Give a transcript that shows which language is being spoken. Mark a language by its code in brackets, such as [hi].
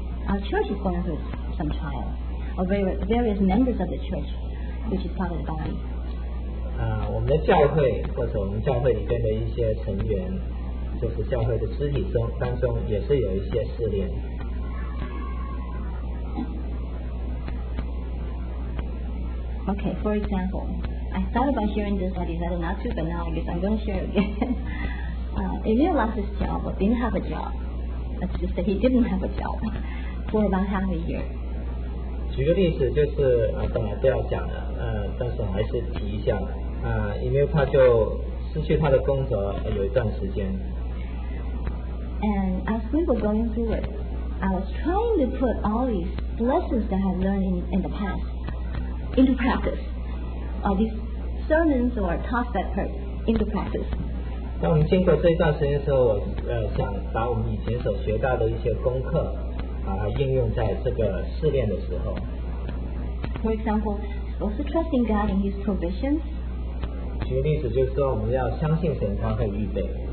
[en] Our church is going through some trial, or various members of the church, which is part of the body. [zh] 我们的教会或者我们教会里边的一些成员，就是教会的肢体中当中也是有一些试炼。 [en] Okay, for example, I thought about sharing this, but I decided not to. But now I guess I'm going to share again. Emil lost his job or didn't have a job. That's just that he didn't have a job. For about half a year. [zh] 举个例子，就是本来都要讲的，但是还是提一下。因为他就失去他的工作有一段时间。 [en] And as we were going through it, I was trying to put all these lessons that I had learned in the past into practice. All these sermons or talks that hurt into practice. [zh] 当我们经过这一段时间的时候，我想把我们以前所学到的一些功课。应用在这个试炼的时候。 [en] For example, was trusting God in His provisions? [zh] 举例子就是说我们要相信神，他会预备。